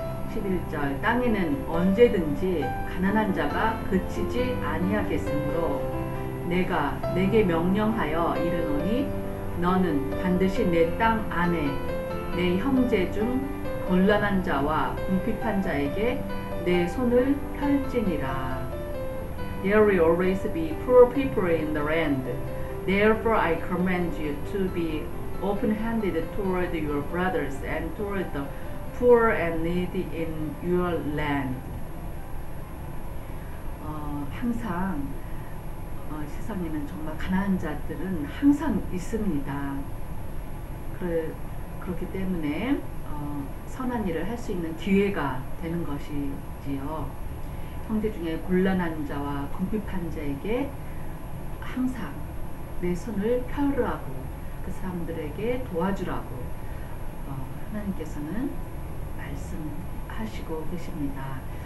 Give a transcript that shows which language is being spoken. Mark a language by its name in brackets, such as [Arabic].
[Korean] 11절 땅에는 언제든지 가난한 자가 그치지 아니하겠으므로 내가 내게 명령하여 이르노니 너는 반드시 내 땅 안에 내 형제 중 곤란한 자와 궁핍한 자에게 내 손을 펼지니라. [English] There will always be poor people in the land. Therefore I command you to be open-handed toward your brothers and toward the poor and needy in your land. [Korean] 항상 세상에는 정말 가난한 자들은 항상 있습니다. 그렇기 때문에 선한 일을 할 수 있는 기회가 되는 것이지요. 형제 중에 곤란한 자와 궁핍한 자에게 항상 내 손을 펴라고 그 사람들에게 도와주라고 하나님께서는 말씀하시고 계십니다.